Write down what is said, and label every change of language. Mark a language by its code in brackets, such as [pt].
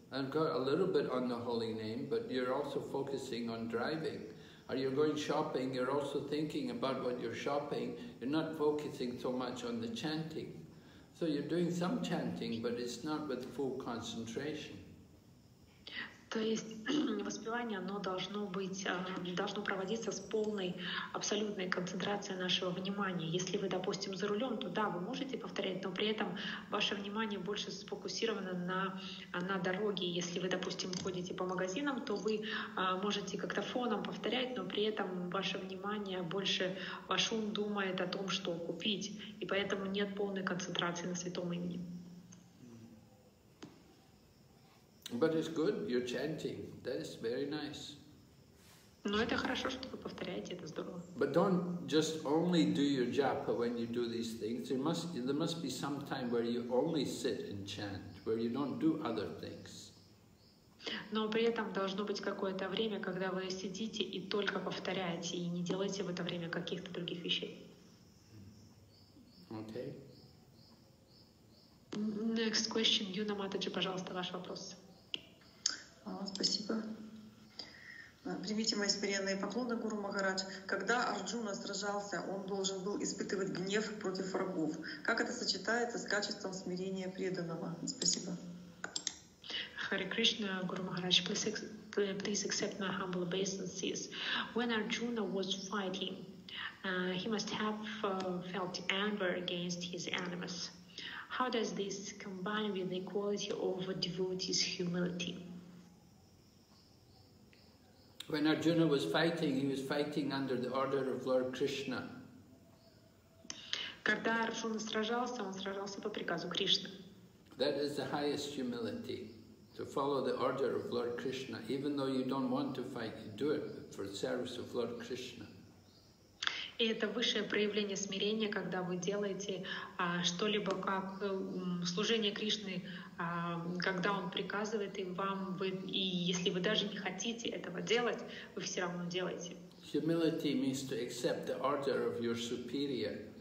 [en] I've got a little bit on the holy name, but you're also focusing on driving. Are you going shopping? You're also thinking about what you're shopping. You're not focusing so much on the chanting. So you're doing some chanting, but it's not with full concentration. [ru] То есть воспевание, оно должно быть, должно проводиться с полной, абсолютной концентрацией нашего внимания. Если вы, допустим, за рулем, то да, вы можете повторять, но при этом ваше внимание больше сфокусировано на дороге. Если вы, допустим, ходите по магазинам, то вы можете как-то фоном повторять, но при этом ваше внимание больше, ваш ум думает о том, что купить, и поэтому нет полной концентрации на святом имени. [en] But it's good, you're chanting. That is very nice. [ru] Но это хорошо, что вы повторяете, это здорово. [en] But don't just only do your japa when you do these things. There must be some time where you only sit and chant, where you don't do other things. [ru] Но при этом должно быть какое-то время, когда вы сидите и только повторяете, и не делаете в это время каких-то других вещей. [en] Okay. next question, [ru] Юна Матаджи, пожалуйста, ваш вопрос. Спасибо. Примите мои смиренные поклоны, Гуру Махарадж. Когда Арджуна сражался, он должен был испытывать гнев против врагов. Как это сочетается с качеством смирения преданного? Спасибо. [en] Hare Krishna, Guru Maharaj, please accept my humble obeisances. When Arjuna was fighting, he must have felt anger against his enemies. How does this combine with the quality of a devotee's humility? When Arjuna was fighting, he was fighting under the order of Lord Krishna. [ru] Когда Арджуна сражался, он сражался по приказу Кришны. [en] That is the highest humility. To follow the order of Lord Krishna, even though you don't want to fight, you do it for the service of Lord Krishna. [ru] И это высшее проявление смирения, когда вы делаете что-либо как служение Кришне, когда Он приказывает и вам, и если вы даже не хотите этого делать, вы все равно делаете. [en] Humility means to accept the order of your superior.